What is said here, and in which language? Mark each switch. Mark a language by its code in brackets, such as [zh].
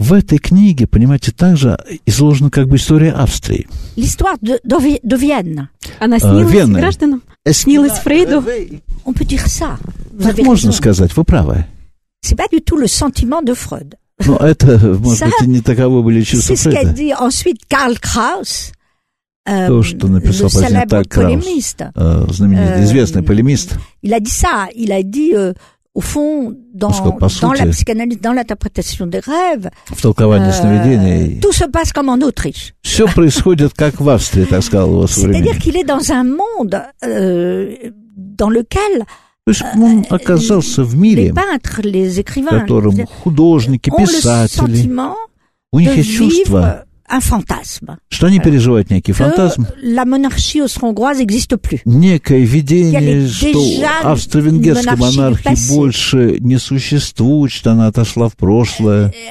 [ru] В этой книге, понимаете, также изложена как бы история Австрии. [fr] L'histoire de Vienne. [ru] Она снилась гражданам? Снилась Фрейду? [fr] On peut dire ça. [ru] Так можно сказать, вы правы. [fr] C'est pas du tout le sentiment de Freud. [ru] Но это, может быть, не таковы были чувства [fr] C'est ce qu'a dit ensuite Karl Kraus, [ru] то, что написал позднее так Краус, знаменитый, известный полемист. [fr] Il a dit ça, il a dit, au fond, dans la psychanalyse, dans l'interprétation des rêves, [ru] в толковании сновидений, [fr] tout se passe comme en Autriche. [ru] Все происходит, как в Австрии, так сказал его современник. [fr] C'est-à-dire qu'il est dans un monde dans lequel... [ru] То есть он оказался в мире, в котором художники, писатели, у них есть чувство, что они переживают некий фантазм, некое видение, что австро-венгерской монархии больше не существует, что она отошла в прошлое.